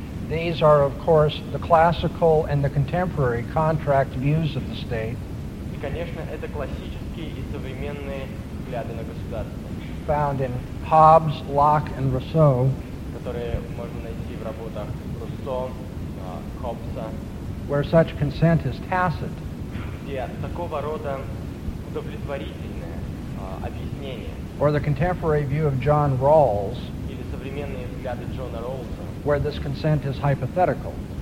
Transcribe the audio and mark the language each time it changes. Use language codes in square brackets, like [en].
[en] These are, of course, the classical and the contemporary contract views of the state. [ru] И, конечно, это классические и современные взгляды на государство. [en] Found in Hobbes, Locke, and Rousseau. [ru] Которые можно найти в работах Руссо, Хоббса. [en] Where such consent is tacit. [ru] Где такого рода удовлетворительное объяснение. [en] Or the contemporary view of John Rawls. [ru] Или современные взгляды Джона Роулза. [en] Where this consent is hypothetical.